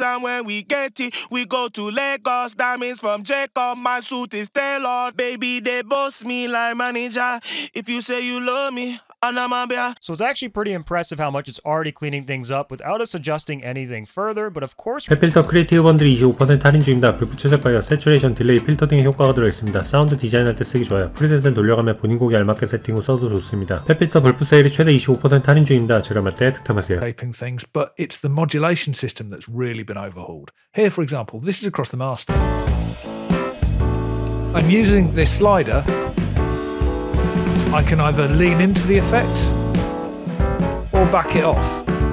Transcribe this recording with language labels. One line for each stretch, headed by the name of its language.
English: And when we get it, we go to Lagos. Diamonds from Jacob, my suit is tailored. Baby, they boss me like manager. If you say you love me, so it's actually pretty impressive how much it's already cleaning things up without us adjusting anything further, but of course...
Korean: FabFilter 크리에이티브 번들이 25% 할인 중입니다. 불프 채색과요, 세츄레이션, 딜레이, 필터 등의 효과가 들어있습니다. 사운드 디자인할 때 쓰기 좋아요. 프리셋을 돌려가며 본인 곡에 알맞게 세팅 후 써도 좋습니다. FabFilter 불프 세일이 최대 25% 할인 중입니다. 저렴할 때 득템하세요.
English: ...shaping things, but it's the modulation system that's really been overhauled. Here, for example, this is across the master. I'm using this slider. I can either lean into the effect or back it off.